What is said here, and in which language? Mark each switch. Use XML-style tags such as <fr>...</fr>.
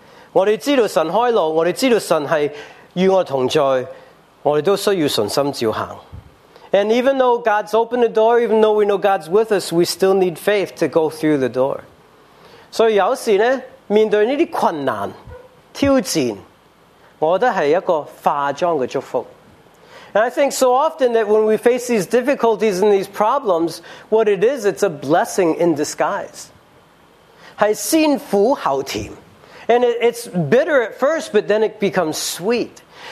<zh>我们知道神开路,我们知道神是与我同在,我们都需要信心照行。</zh> <en>And even though God's opened the door, even though we know God's with us, we still need faith to go through the door.</en> <zh>So 有时呢,面对这些困难,挑战,我觉得是一个化妆的祝福。</zh> <en>And I think so often that when we face these difficulties and these problems, what it is, it's a blessing in disguise.</en> <zh>是先苦后甜。</zh> <en>And it's bitter at first, but then it becomes sweet.</en>